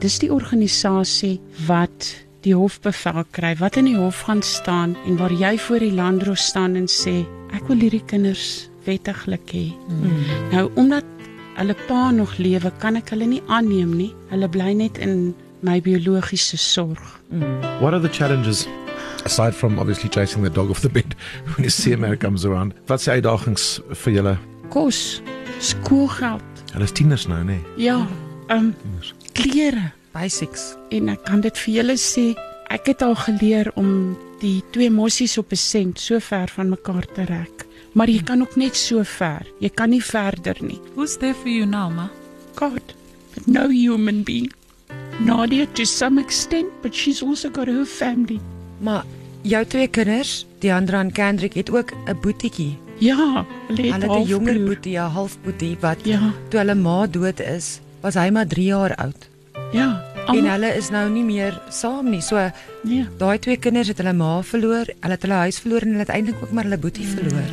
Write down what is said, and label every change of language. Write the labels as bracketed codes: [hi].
[af] Dis die organisasie wat die hofbevel kry, wat in die hof gaan staan en waar jy voor die landro staan en sê, ek wil hierdie kinders wettiglik hê. Hmm. Nou, omdat hulle pa nog lewe, kan ek hulle nie aanneem nie. Hulle bly net in my biologiese sorg. Hmm. [en] What are the challenges? Aside from obviously chasing the dog off the bed when the CMR comes around. [af] Wat sê uitdagings vir julle? Kos, skoolgeld. Hulle is tieners nou, nee? Ja, klere. [en] Basics. [af] En ek kan dit vir julle sê, ek het al geleer om die 2 mossies op 'n sent so ver van mekaar te rek. Maar jy kan ook net so ver, jy kan nie verder nie. [en] Who's there for you now, ma? God, but no human being. Nadia to some extent, but she's also got her family. [af] Maar jou 2 kinders, Deandre en Kendrick, het ook 'n boetiekie. Ja, hulle het 'n jonger boetie, 'n halfboetie, wat ja. Toe hulle ma dood is, was hy maar 3 jaar oud. Ja. En hulle is nou nie meer saam nie, so daai 2 kinders het hulle ma verloor, hulle het hulle huis verloor en hulle het eindelijk ook maar hulle boetie verloor.